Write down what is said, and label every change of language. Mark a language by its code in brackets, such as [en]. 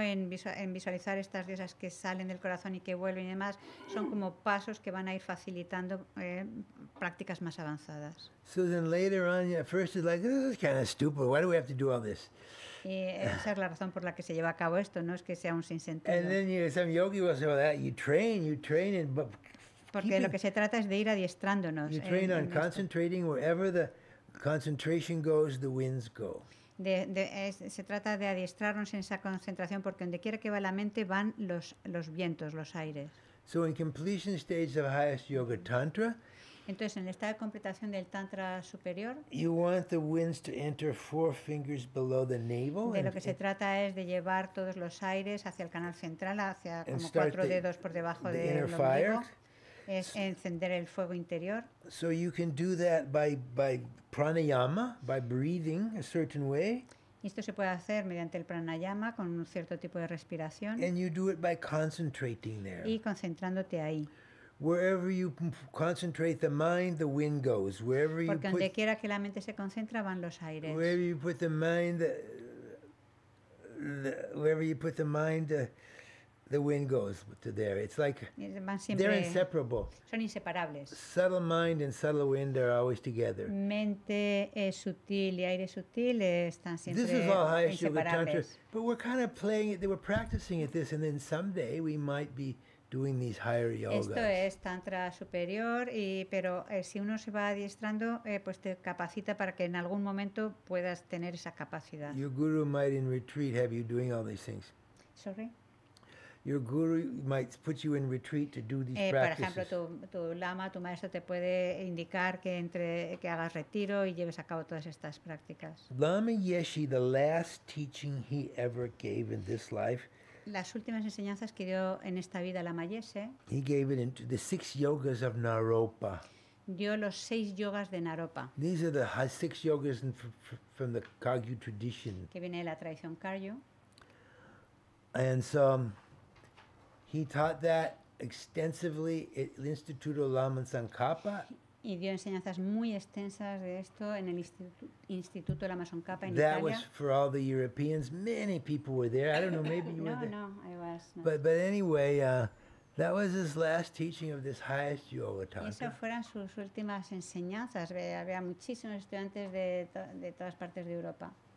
[es] En visualizar estas diosas que salen del corazón y que vuelven y demás, son como pasos que van a ir facilitando prácticas más avanzadas. [en] So then later on, at first it's like, this is kind of stupid, why do we have to do all this? [es] Y esa es la razón por la que se lleva a cabo esto, no es que sea un sinsentido. [en] And then some yogi will say, well, that you train it, but [es] porque lo que se trata es de ir adiestrándonos. [en] You train on concentrating wherever the concentration goes, the winds go. [es] Se trata de adiestrarnos en esa concentración porque donde quiera que va la mente van los vientos, los aires. [en] So in completion stage of highest yoga tantra, [es] entonces en el estado de completación del tantra superior, [en] you want the winds to enter four fingers below the navel. [es] De lo que se trata es de llevar todos los aires hacia el canal central, hacia como cuatro dedos por debajo del ombligo. Es encender el fuego interior. [en] So you can do that by pranayama, by breathing a certain way. [es] Esto se puede hacer mediante el pranayama con un cierto tipo de respiración. [en] And you do it by concentrating there. [es] Y concentrándote ahí. [en] Wherever you concentrate the mind, the wind goes. Wherever you [es] put, porque donde quiera que la mente se concentra van los aires. [en] Wherever you put the mind, the wind goes to there. It's like they're inseparable. [es] Son inseparables. [en] Subtle mind and subtle wind are always together. [es] Mente sutil y aire sutil están siempre. [en] This is all highest yoga tantra. But we're kind of playing it. They were practicing at this, and then someday we might be doing these higher yogas. [es] Esto es tantra superior, pero si uno se va adiestrando, pues te capacita para que en algún momento puedas tener esa capacidad. [en] Your guru might in retreat have you doing all these things. Sorry. Your guru might put you in retreat to do these practices. [es] Por ejemplo, tu lama, tu maestro te puede indicar que hagas retiro y lleves a cabo todas estas prácticas. [en] Lama Yeshe, the last teaching he ever gave in this life. [es] Las últimas enseñanzas que dio en esta vida Lama Yeshe. [en] He gave it into the six yogas of Naropa. [es] Dio los seis yogas de Naropa. [en] These are the six yogas from the Kagyu tradition. [es] Que viene de la tradición Kagyu. [en] And so he taught that extensively at the Instituto Laman Tsongkhapa. [es] Y dio enseñanzas muy extensas de esto en el Instituto Lama Tsongkhapa en Italia. [en] That was for all the Europeans. Many people were there. I don't know, maybe you were there. No, I was. No. But anyway, that was his last teaching of this highest yoga tantra. [es] Y esas fueron sus últimas enseñanzas. Había muchísimos estudiantes de todas partes de Europa.